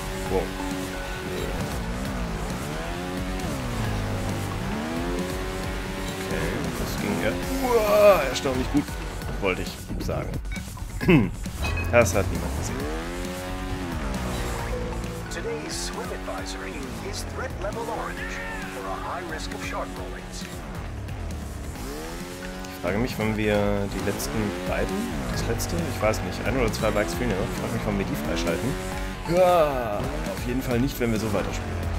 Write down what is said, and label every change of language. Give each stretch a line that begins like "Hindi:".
German: Wow. Okay, das ging ja erstaunlich gut, wollte ich sagen. Das hat niemand gesehen.
English: Today's swim advisory is threat level orange for a high risk of shark bullets.
German: Ich frage mich, wann wir die letzten beiden, das letzte, ich weiß nicht, ein oder zwei Bikes fehlen ja noch. Ich frage mich, wann wir die freischalten. Ja, auf jeden Fall nicht, wenn wir so weiterspielen.